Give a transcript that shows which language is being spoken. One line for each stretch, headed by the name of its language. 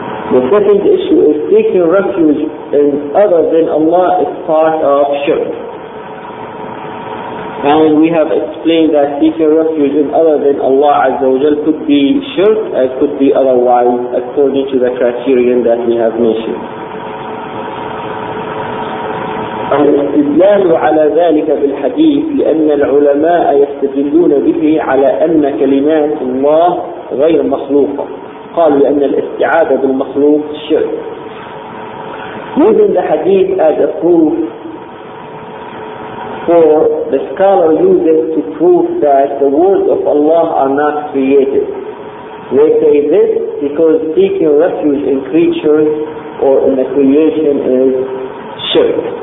English: The second issue is taking refuge in other than Allah is part of shirk. And we have explained that seeking refuge in other than Allah Azza wa Jal could be shirk and could be otherwise according to the criterion that we have mentioned.
Arabic: الاستدلال على ذلك بالحديث لأن العلماء يستدلون به على أن كلمات الله غير مخلوقة. قال لأن الاستعاذة بالمخلوق شرك.
English: Using the hadith as a proof, for the scholar uses to prove that the words of Allah are not created. They say this because seeking refuge in creatures or in the creation is shirk.